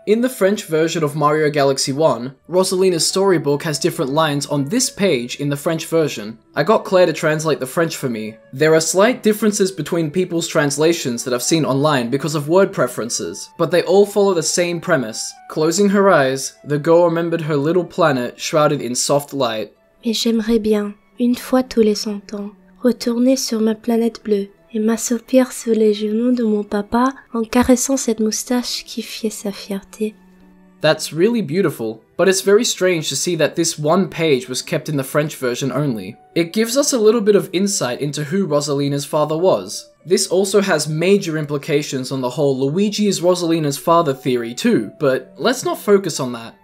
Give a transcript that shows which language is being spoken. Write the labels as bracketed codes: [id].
[en] In the French version of Mario Galaxy 1, Rosalina's storybook has different lines on this page in the French version. I got Claire to translate the French for me. There are slight differences between people's translations that I've seen online because of word preferences, but they all follow the same premise. Closing her eyes, the girl remembered her little planet shrouded in soft light. [fr] Mais j'aimerais bien, une fois tous les 100 ans, retourner sur ma planète bleue. Et m'assoupir sous les genoux de mon papa en caressant cette moustache qui fiait sa fierté. [en] That's really beautiful, but it's very strange to see that this one page was kept in the French version only. It gives us a little bit of insight into who Rosalina's father was. This also has major implications on the whole Luigi is Rosalina's father theory too, but let's not focus on that.